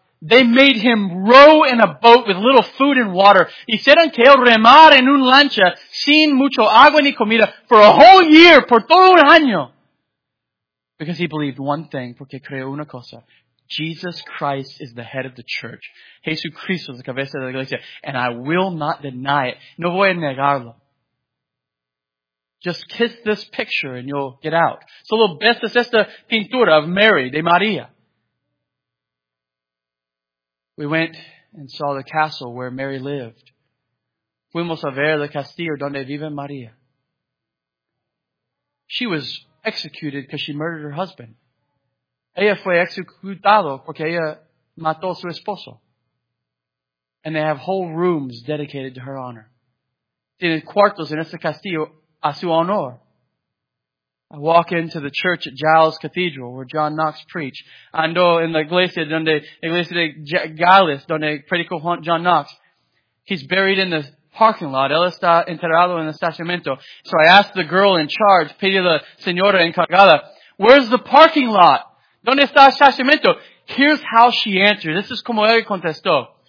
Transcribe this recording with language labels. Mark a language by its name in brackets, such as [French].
[English] They made him row in a boat with little food and water. [Spanish] Hicieron que él remar en una lancha sin mucho agua ni comida [English] for a whole year, [Spanish] por todo un año. [English] Because he believed one thing, [Spanish] porque creó una cosa. [English] Jesus Christ is the head of the church. [Spanish] Jesucristo es la cabeza de la iglesia. [English] And I will not deny it. [Spanish] No voy a negarlo. [English] Just kiss this picture and you'll get out. [Spanish] Solo besas esta pintura [English] of Mary, [Spanish] de María. [English] We went and saw the castle where Mary lived. [Spanish] Fuimos a ver el castillo donde vive María. [English] She was executed because she murdered her husband. [Spanish] Ella fue ejecutada porque ella mató a su esposo. [English] And they have whole rooms dedicated to her honor. [Spanish] Tiene cuartos en este castillo a su honor. [English] I walk into the church at Giles Cathedral where John Knox preached. [Spanish] Ando en la iglesia de Giles donde predicó John Knox. [English] He's buried in the parking lot. [Spanish] Él está enterrado en el estacionamiento. [English] So I asked the girl in charge, [Spanish] pedí la señora encargada, [English] where's the parking lot? [Spanish] ¿Dónde está el estacionamiento? [English] Here's how she answered. This is [Spanish] como ella contestó.